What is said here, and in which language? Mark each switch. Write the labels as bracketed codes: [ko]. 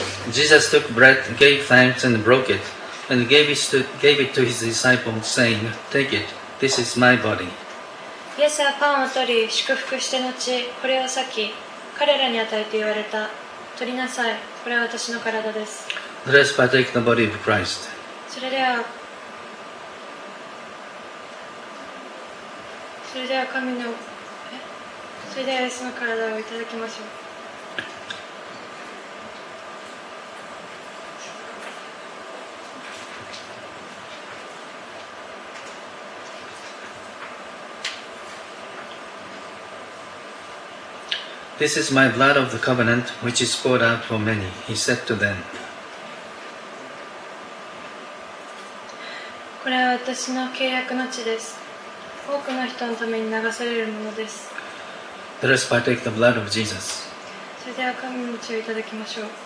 [en] Jesus took bread, gave thanks, and broke it, and gave it to his disciples, saying, Take it, this is my body. [ja] イエスはパンを取り、祝福して後、これを裂き、彼らに与えて言われた。取りなさい、これは私の体です。 [en] Let us partake the body of Christ. [ja] それでは神の、それではイエスの体をいただきましょう。 [en] This is my blood of the covenant, which is poured out for many, he said to them. [ja] これは私の契約の血です。多くの人のために流されるものです。 [en] Let us partake the blood of Jesus. [ja] それでは神の血をいただきましょう。